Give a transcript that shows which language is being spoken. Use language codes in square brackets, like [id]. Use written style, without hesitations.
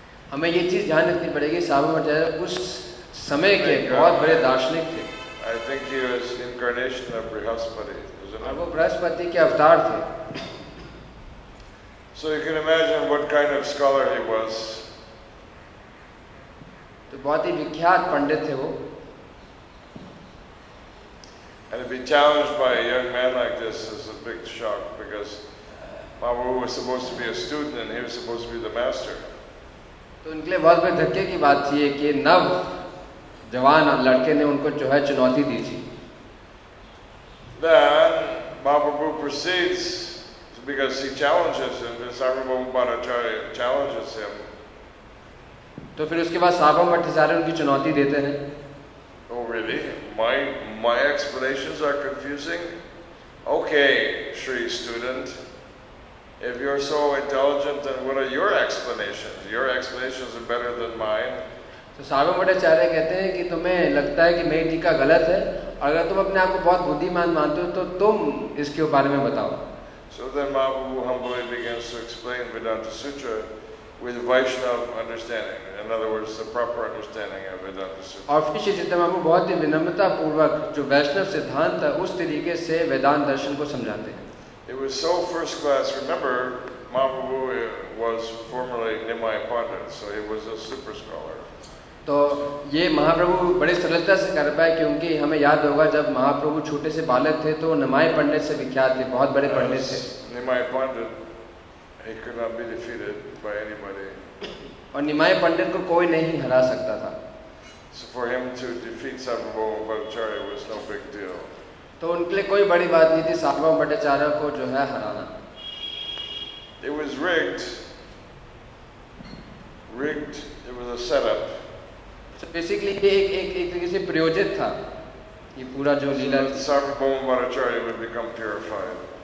[hi] हमें ये चीज ध्यान रखनी पड़ेगी, सार्वभौम आचार्य उस समय के बहुत बड़े दार्शनिक थे. [en] I think he was incarnation of Brihaspati, isn't it? [hi] वो बृहस्पति के अवतार थे. [en] So you can imagine what kind of scholar he was. [hi] तो बहुत ही विख्यात पंडित थे वो. [en] And to be challenged by a young man like this is a big shock because Mahaprabhu was supposed to be a student and he was supposed to be the master. [hi] तो उनके लिए बहुत बड़े धक्के की बात थी कि नव जवान लड़के ने उनको जो है चुनौती दी थी. [en] Then Mahaprabhu proceeds because he challenges him. This Sarvabhauma Bhattacharya challenges him. [hi] तो फिर उसके बाद सार्वभौम भट्टाचार्य उनकी चुनौती देते हैं. [en] Oh really? My explanations are confusing? Okay, Shri student, if you're so intelligent, then what are your explanations? Your explanations are better than mine. [hi] तो सार्वभौम भट्टाचार्य कहते हैं कि तुम्हें लगता है कि मेरी टीका गलत है, अगर तुम अपने आप को बहुत बुद्धिमान मानते हो तो तुम इसके बारे में बताओ. [en] So then Mahaprabhu humbly begins to explain Vedanta Sutra with Vaishnava understanding, in other words, the proper understanding of Vedanta Sutra. [hi] और फिर श्री चैतन्य महाप्रभु बहुत ही विनम्रता पूर्वक जो वैष्णव सिद्धांत है उस तरीके से वेदांत दर्शन को समझाते हैं. [en] It was so first class. Remember, Mahaprabhu was formerly Nimai Pandit, so he was a super scholar. [hi] तो ये महाप्रभु बड़ी सरलता से कर पाए क्योंकि हमें याद होगा जब महाप्रभु छोटे से बालक थे तो निमाई पंडित से विख्यात थे, बहुत बड़े पंडित थे. [en] Nimai Pandit, he could not be defeated by anybody. [hi] और निमाय पंडित को कोई नहीं हरा सकता था. [en] So for him to defeat Sarvabhauma Bhattacharya was no big deal. [hi] तो उनके लिए कोई बड़ी बात नहीं थी सार्वभौम भट्टाचार्य को जो है हराना. [en] It was rigged. It was a setup. So basically, [hi] एक तरीके से प्रयोजित था ये पूरा जो लीला. [en] Sarvabhauma Bhattacharya would become purified.